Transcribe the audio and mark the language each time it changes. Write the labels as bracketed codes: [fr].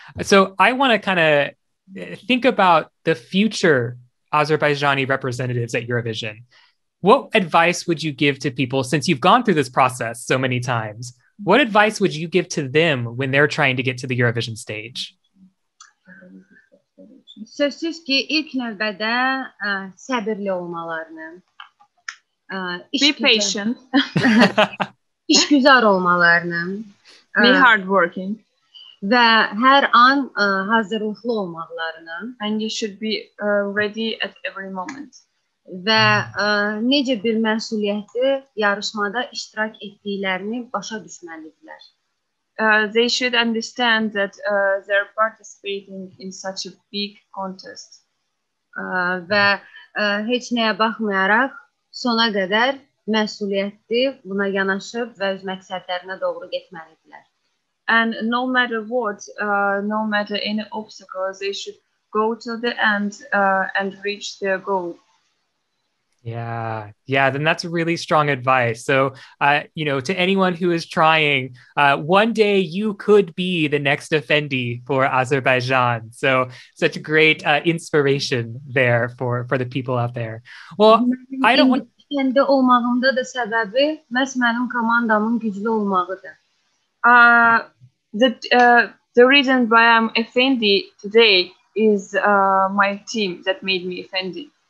[en] So I want to kind of think about the future Azerbaijani representatives at Eurovision. What advice would you give to people, since you've gone through this process so many times, What advice would you give to them when they're trying to get to the Eurovision stage? [az] Sözsüz ki ilk növbədə səbirli olmalarını. [en] Be patient. [az] İşgüzar olmalarını. [en] Be hardworking. [az] Və hər an hazırlıqlı olmalarını. [en] And you should be ready at every moment. [az] Və necə bir məsuliyyəti yarışmada iştirak etdiklərini başa düşməlidirlər. [en] They should understand that they're participating in such a big contest. [az] Və heç nəyə baxmayaraq sona qədər məsuliyyətli buna yanaşıb və öz məqsədlərinə doğru getməlidirlər. [en] And no matter what, no matter any obstacles, they should go to the end and reach their goal. Yeah, yeah, then that's really strong advice. So, you know, to anyone who is trying, one day you could be the next Efendi for Azerbaijan. So such great inspiration there for the people out there. Well, I don't want... [az] Efendi olmağımda da səbəbi məhz mənim komandamın güclü olmağıdır. [en] The reason why I'm Efendi today is my team that made me Efendi.